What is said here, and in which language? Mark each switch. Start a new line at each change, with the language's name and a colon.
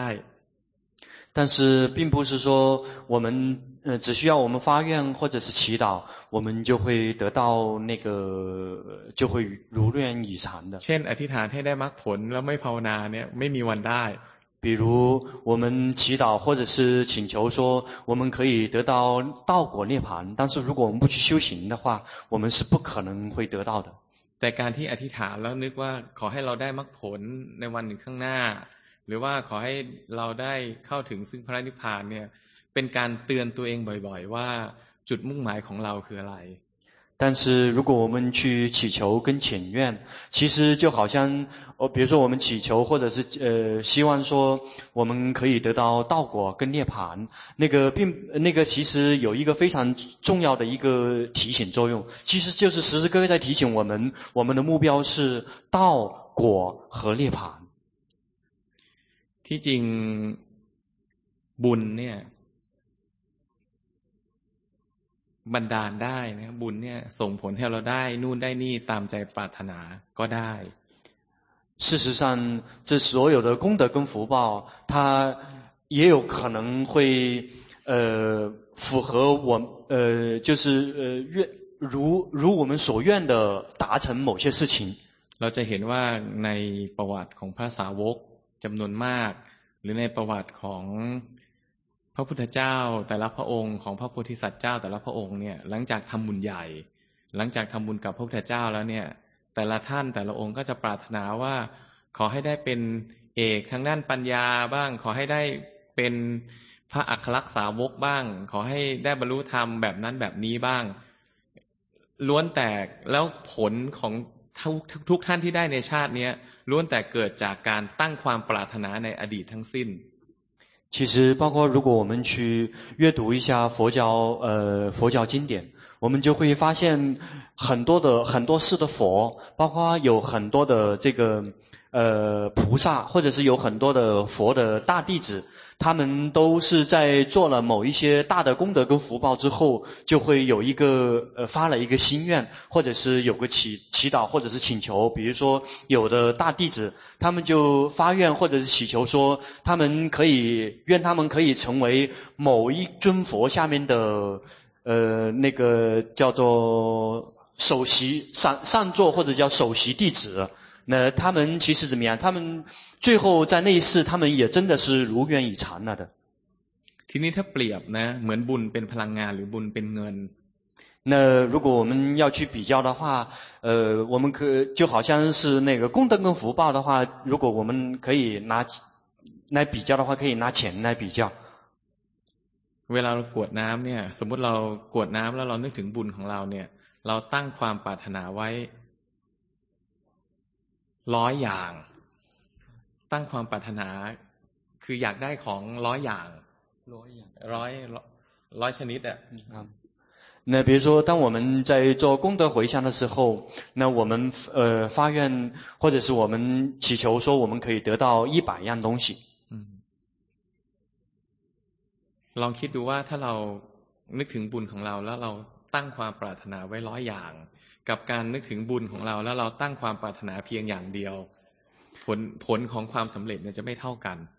Chinese: 但是并不是说我们只需要我们发愿或者是祈祷我们就会得到那个就会如愿以偿的
Thai: เช่นอธิษฐานให้ได้มรรคผลแล้วไม่ภาวนาเนี่ยไม่มีวันได้
Chinese: 比如我们祈祷或者是请求说我们可以得到道果涅槃但是如果我们不去修行的话我们是不可能会得到的
Thai: แต่การที่อธิษฐานแล้วนึกว่าขอให้เราได้มรรคผลในวันหนึ่งข้างหน้าหรือว่าขอให้เราได้เข้าถึงซึ่งพระนิพพานเนี่ยเป็นการเตือนตัวเองบ่อยๆว่าจุดมุ่งหมายของเราคืออะไร
Chinese: 但是如果我们去祈求跟请愿其实就好像比如说我们祈求或者是希望说我们可以得到道果跟涅槃那个其实有一个非常重要的一个提醒作用其实就是时时刻刻在提醒我们的目标是道果和涅槃
Thai: ที่จริงบุญเนี่ยบันดาลได้นะบุญเนี่ยส่งผลให้เราได้นู่นได้นี่ตามใจปรารถนาก็ได้
Chinese: 事实上这所有的功德跟福报它也有可能会符合我就是愿如我们所愿的达成某些事情
Thai: เราจะเห็นว่าในประวัติของพระสาวกจำนวนมากหรือในประวัติของพระพุทธเจ้าแต่ละพระองค์ของพระโพธิสัตว์เจ้าแต่ละพระองค์เนี่ยหลังจากทำบุญใหญ่หลังจากทำบุญกับพระพุทธเจ้าแล้วเนี่ยแต่ละท่านแต่ละองค์ก็จะปรารถนาว่าขอให้ได้เป็นเอกทางด้านปัญญาบ้างขอให้ได้เป็น พระอัครสาวกบ้างขอให้ได้บรรลุธรรมแบบนั้นแบบนี้บ้างล้วนแต่แล้วผลของทุกท่านที่ได้ในชาตินี้ล้วนแต่เกิดจากการตั้งความปรารถนาในอดีตทั้งสิ้น
Chinese: 其实包括如果我们去阅读一下佛教经典我们就会发现很多世的佛包括有很多的这个菩萨或者是有很多的佛的大弟子他们都是在做了某一些大的功德跟福报之后就会有一个发了一个心愿或者是有个祈祷或者是请求比如说有的大弟子他们就发愿或者是祈求说他们可以愿他们可以成为某一尊佛下面的那个叫做首席上座或者叫首席弟子，那他们其实怎么样？他们最后在那一世，他们也真的是如愿以偿了的。
Thai: ทีนี้ถ้าเปรียบนะเหมือนบุญเป็นพลังงานหรือบุญเป็นเงิน
Chinese: 那如果我们要去比较的话，我们可就好像是那个功德跟福报的话，如果我们可以拿来比较的话，可以拿钱来比较。
Thai: เวลาเรากวดน้ำเนี่ยสมมติเรากวดน้ำแล้วเรานึกถึงบุญของเราเนี่ยเราตั้งความปรารถนาไว้ร้อยอย่างตั้งความปรารถนาคืออยากได้ของร้อยอย่าง ร้อย ชนิดอ่ะ ครับ
Chinese: 那比如说当我们在做功德回向的时候，那我们发愿或者是我们祈求说我们可以得到一百样东西。
Thai: ลองคิดดูว่าถ้าเรานึกถึงบุญของเราแล้วเราตั้งความปรารถนาไว้ร้อยอย่างกับการนึกถึงบุญของเราแล้วเราตั้งความปรารถนาเพียงอย่างเดียวผลของความสำเร็จเนี่ยจะไม่เท่ากัน